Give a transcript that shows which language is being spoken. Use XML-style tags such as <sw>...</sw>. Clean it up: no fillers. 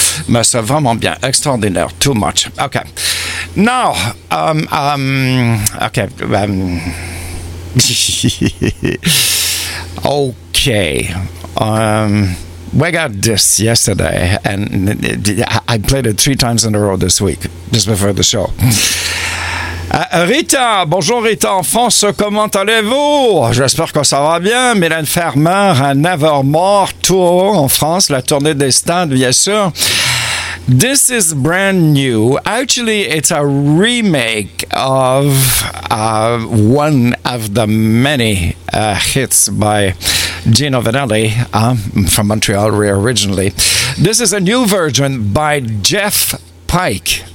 <fr>Mais c'est vraiment bien. Extraordinaire.</fr> <en>Too much. Okay. Now, okay. We got this yesterday, and I played it three times in a row this week, just before the show.</en> <fr>Rita, bonjour Rita en France, comment allez-vous? J'espère que ça va bien. Mylène Farmer, un Evermore tour en France, la tournée des stades, bien sûr.</fr> <en>This is brand new. Actually, it's a remake of one of the many hits by Gino Vannelli from Montreal originally. This is a new version by Jeff Pike.</en>